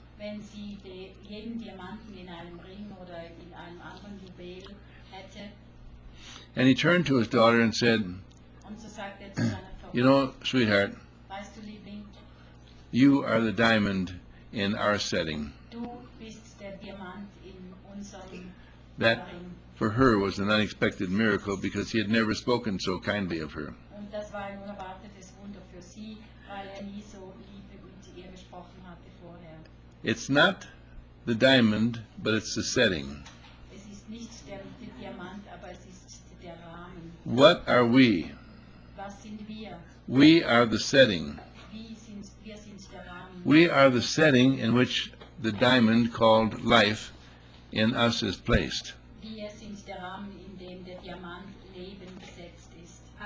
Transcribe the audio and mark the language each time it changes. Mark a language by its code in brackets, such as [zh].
[de] wenn sie jeden Diamanten in einem Ring oder in einem anderen Juwel hätte, [en] and he turned to his daughter and said, [de] und so sagt er zu seiner Tochter, [en] "You know, sweetheart, [de] weißt du, Liebling, [en] you are the diamond in our setting." [de] Du bist der Diamant in unserem Ring. [en] That for her was an unexpected miracle because he had never spoken so kindly of her. [de] Und das war ein unerwartetes Wunder für sie, weil er nie so lieb mit ihr gesprochen hatte vorher. [en] It's not the diamond, but it's the setting. [de] Es ist nicht der Diamant, aber es ist der Rahmen. [en] What are we? [de] Was sind wir? [en] We are the setting. [de] Wir sind der Rahmen. [en] We are the setting in which the diamond called life in us is placed. [de] Wir sind der Rahmen, in dem der Diamant Leben gesetzt ist.